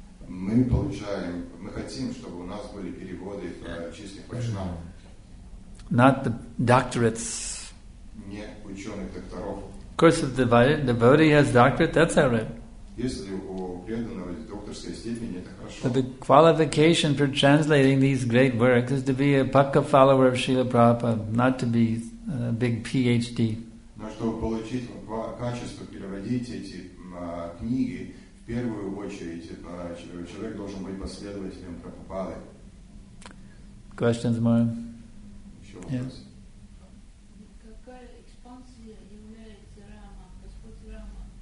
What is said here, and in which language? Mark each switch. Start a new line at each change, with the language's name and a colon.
Russian: Мы получаем хотим, чтобы у нас были переводы чистых вайшнавов.
English: Not the doctorates.
Russian: Не ученых докторов.
English: Of course, if the devotee has doctorate, that's all right.
Russian: Если у преданного есть докторская степень, это хорошо.
English: But the qualification for translating these great works is to be a pakka follower of Srila Prabhupada, not to be a big PhD.
Russian: Но чтобы получить качество переводить эти книги, в первую очередь, человек должен быть последователем Прабхупады.
English: Questions, Мария?
Russian: Еще вопросы? Yes. Какая экспансия является Рама, Господь Рама?